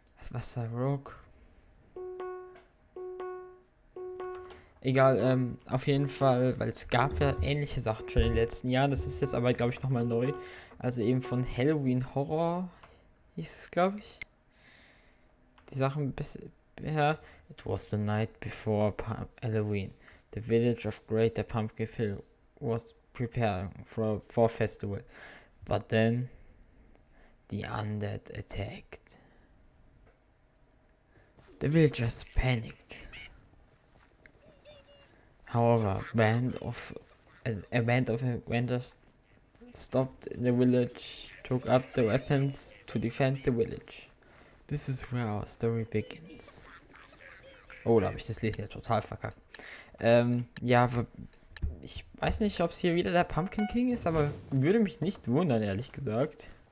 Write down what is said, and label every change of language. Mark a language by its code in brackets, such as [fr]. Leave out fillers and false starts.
[de] Was war der Rogue? Egal, auf jeden Fall, weil es gab ja ähnliche Sachen schon in den letzten Jahren. Das ist jetzt aber, glaube ich, nochmal neu. Also eben von Halloween Horror hieß es, glaube ich. Die Sachen bisher. [en] It was the night before Halloween. The village of Greater Pumpkin Hill was preparing for festival. But then, the undead attacked. The villagers panicked. However, a band of adventurers stopped in the village, took up the weapons to defend the village. This is where our story begins. [de] Oh, da habe ich das Lesen jetzt total verkackt. Ja, ich weiß nicht, ob es hier wieder der Pumpkin King ist, aber würde mich nicht wundern, ehrlich gesagt.